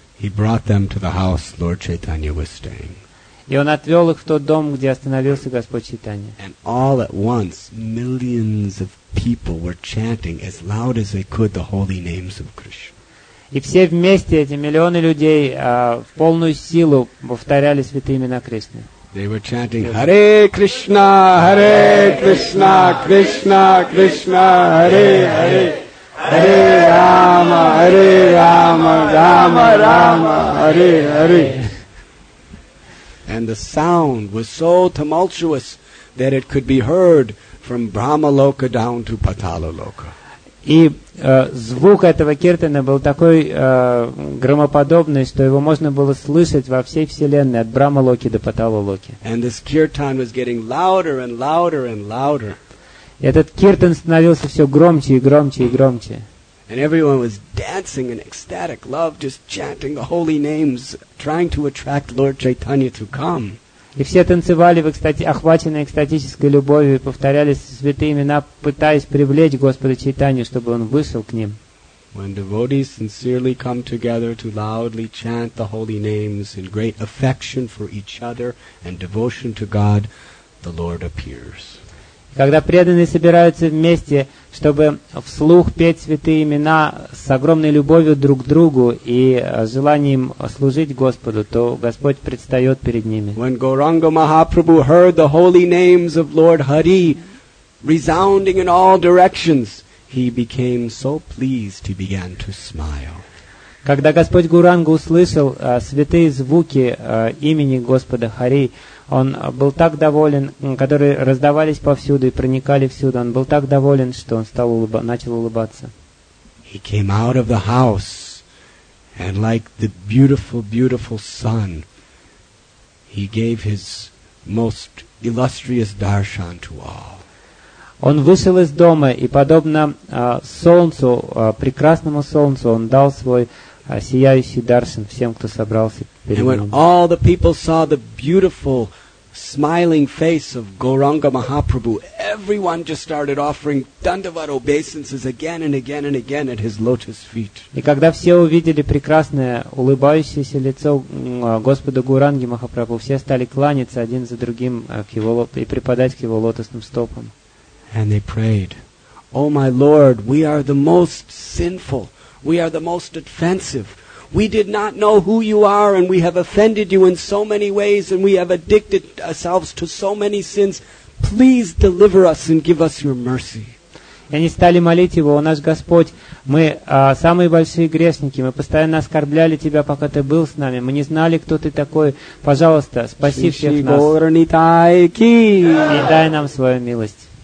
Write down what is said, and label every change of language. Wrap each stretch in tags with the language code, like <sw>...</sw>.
<en>He brought them to the house Lord Chaitanya was staying.</en> <ru>И он отвел их в тот дом, где остановился Господь Чайтанья.</ru> <en>And all at once, millions of people were chanting as loud as they could the holy names of Krishna.</en> <ru>И все вместе, эти миллионы людей, в полную силу повторяли святые имена Кришны.</ru> <en>They were chanting, Hare Krishna, Hare Krishna, Krishna Krishna, Hare Hare, Hare Rama, Hare Rama, Rama Rama, Hare Hare. And the sound was so tumultuous that it could be heard from Brahmaloka down to Pataloloka.</en> <ru>И звук этого киртана был такой громоподобный, что его можно было слышать во всей вселенной, от Брахмалоки до Паталалоки.</ru> <en>And this kirtan was getting louder and louder and louder.</en> <ru>Этот киртан становился все громче и громче и громче.</ru> <en>And everyone was dancing in ecstatic love, just chanting the holy names, trying to attract Lord Chaitanya to come.</en> <ru>И все танцевали, охваченные экстатической любовью, и повторяли святые имена, пытаясь привлечь Господа Чайтанью, чтобы Он вышел к ним.</ru> <en>When devotees sincerely come together to loudly chant the holy names in great affection for each other and devotion to God, the Lord appears.</en> <ru>Когда преданные собираются вместе, чтобы вслух петь святые имена с огромной любовью друг к другу и желанием служить Господу, то Господь предстает перед ними.</ru> <en>When Gauranga Mahaprabhu heard the holy names of Lord Hari resounding in all directions, he became so pleased he began to smile.</en> <ru>Когда Господь Гуранга услышал святые звуки имени Господа Хари, он был так доволен, которые раздавались повсюду и проникали всюду. Он был так доволен, что он стал начал улыбаться.</ru> <en>He came out of the house, and like the beautiful, beautiful sun, he gave his most illustrious darshan to all.</en> <ru>Он вышел из дома, и подобно солнцу, прекрасному солнцу, он дал свой сияющий даршан всем, кто собрался перед ним.</ru> <en>And when all the people saw the beautiful smiling face of Gauranga Mahaprabhu, everyone just started offering dandavat obeisances again and again and again at his lotus feet.</en> <ru>И когда все увидели прекрасное улыбающееся лицо Господа Гуранги Махапрабху, все стали кланяться один за другим к его и припадать к его лотосным стопам.</ru> <en>And they prayed, "O my Lord, we are the most sinful. We are the most offensive. We did not know who you are, and we have offended you in so many ways, and we have addicted ourselves to so many sins. Please deliver us and give us your mercy."</en> <ru>Они стали молить его: "О наш Господь, мы самые большие грешники. Мы постоянно оскорбляли тебя, пока ты был с нами. Мы не знали, кто ты такой. Пожалуйста, спаси всех нас и дай нам свою милость."</ru>